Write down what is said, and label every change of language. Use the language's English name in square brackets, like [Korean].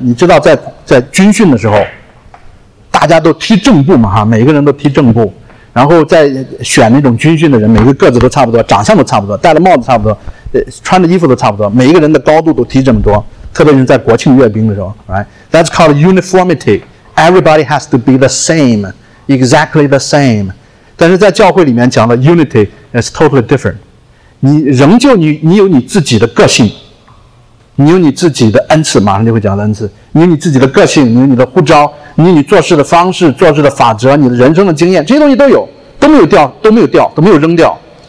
[Chinese] 你知道在军训的时候大家都踢正步嘛，哈，每个人都踢正步，然后在选那种军训的人，每个个子都差不多，长相都差不多，戴的帽子差不多，穿的衣服都差不多，每一个人的高度都踢这么多，特别是在国庆阅兵的时候， right? [English] That's called uniformity. Everybody has to be the same, exactly the same. [Chinese] 但是在教会里面讲的 [English] unity is totally different. [Chinese] 你有你自己的个性，你有你自己的恩赐，马上就会讲的恩赐，你有你自己的个性，你有你的呼召，你有你做事的方式，做事的法则，你的人生的经验，这些东西都有，都没有扔掉。